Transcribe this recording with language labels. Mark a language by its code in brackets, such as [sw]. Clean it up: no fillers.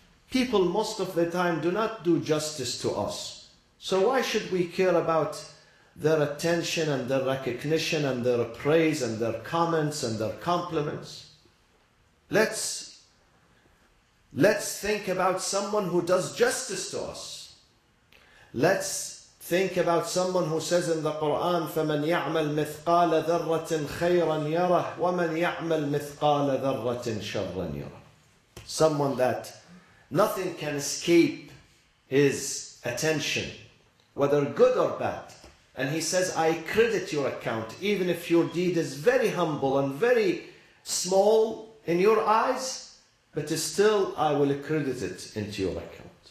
[en] People most of the time do not do justice to us. So why should we care about their attention and their recognition and their praise and their comments and their compliments? Let's think about someone who does justice to us. Let's think about someone who says in the Quran, [ar] فَمَنْ يَعْمَلْ مِثْقَالَ ذَرَّةٍ خَيْرًا يَرَهُ وَمَنْ يَعْمَلْ مِثْقَالَ ذَرَّةٍ شَرًّا يَرَهُ. [en] Someone that nothing can escape his attention, whether good or bad. And he says, I credit your account. Even if your deed is very humble and very small in your eyes, but still I will credit it into your account.